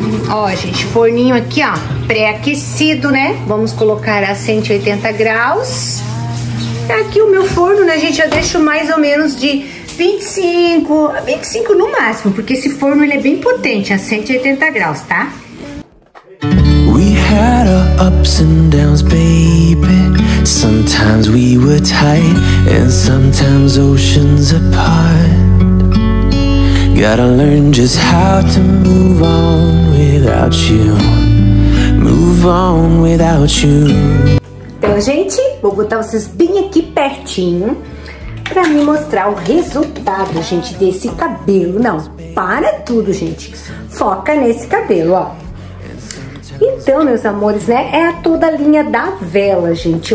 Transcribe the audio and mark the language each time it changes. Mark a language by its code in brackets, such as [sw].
[pt] Ó, gente, forninho aqui, ó, pré-aquecido, né? Vamos colocar a 180 graus. Aqui o meu forno, né, gente, eu deixo mais ou menos de 25 no máximo, porque esse forno ele é bem potente, a 180 graus, tá? [en] We had our ups and downs, baby. Sometimes we were tight, and sometimes oceans apart. Gotta learn just how to move on without you. Move on without you. [pt] Então, gente, vou botar vocês bem aqui pertinho pra me mostrar o resultado, gente, desse cabelo. Não, para tudo, gente. Foca nesse cabelo, ó. Então, meus amores, né? É a toda a linha da Vela, gente.